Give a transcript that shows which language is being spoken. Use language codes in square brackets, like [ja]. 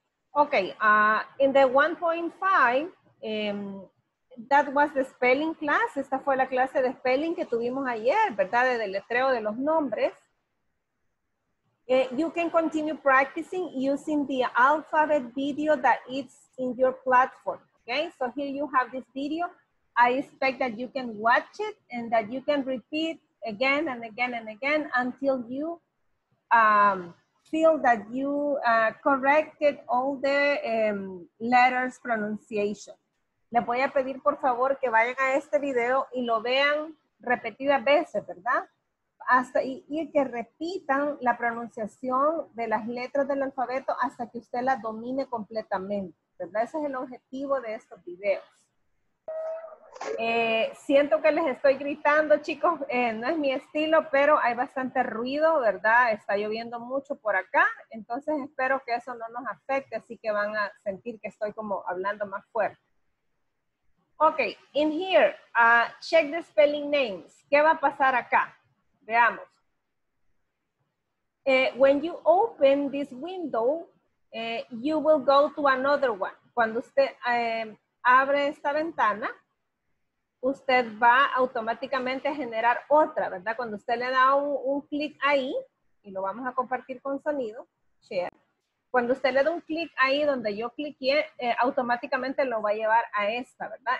[en] Ok, in the 1.5, that was the spelling class. [es] Esta fue la clase de spelling que tuvimos ayer, ¿verdad? De deletreo de los nombres. [en] You can continue practicing using the alphabet video that is in your platform. Okay, so here you have this video. I expect that you can watch it and that you can repeat again and again and again until you feel that you corrected all the letters pronunciation. [es] Les voy a pedir, por favor, que vayan a este video y lo vean repetidas veces, ¿verdad? Hasta y que repitan la pronunciación de las letras del alfabeto hasta que usted las domine completamente, ¿verdad? Ese es el objetivo de estos videos. Siento que les estoy gritando, chicos, no es mi estilo, pero hay bastante ruido, ¿verdad? Está lloviendo mucho por acá, entonces espero que eso no nos afecte, así que van a sentir que estoy como hablando más fuerte. [en] Okay, in here, check the spelling names. [es] ¿Qué va a pasar acá? Veamos. [en] When you open this window, you will go to another one. [es] Cuando usted abre esta ventana, usted va automáticamente a generar otra, ¿verdad? Cuando usted le da un clic ahí, y lo vamos a compartir con sonido, share. Cuando usted le da un clic ahí donde yo cliqué, automáticamente lo va a llevar a esta, ¿verdad?